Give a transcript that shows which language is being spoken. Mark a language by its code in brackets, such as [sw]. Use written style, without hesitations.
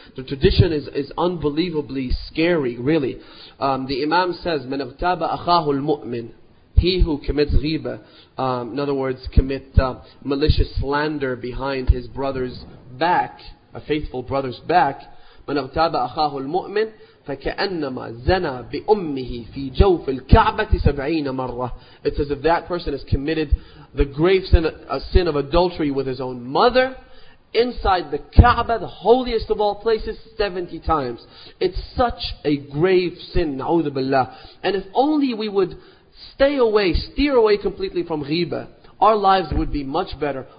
[en] The tradition is unbelievably scary, really. The Imam says, [ar] "Man ightaba akhahu al-mu'min," [en] he who commits ghibah, in other words, commit malicious slander behind his brother's back, a faithful brother's back. [ar] من اغتاب أخاه المؤمن فكأنما زنى بأمه في جوف الكعبة 70 مرة. [en] It's as if that person has committed the grave sin, a sin of adultery with his own mother inside the Kaaba, the holiest of all places, 70 times. It's such a grave sin, [ar] نعوذ بالله. [en] And if only we would stay away, steer away completely from ghiba, our lives would be much better.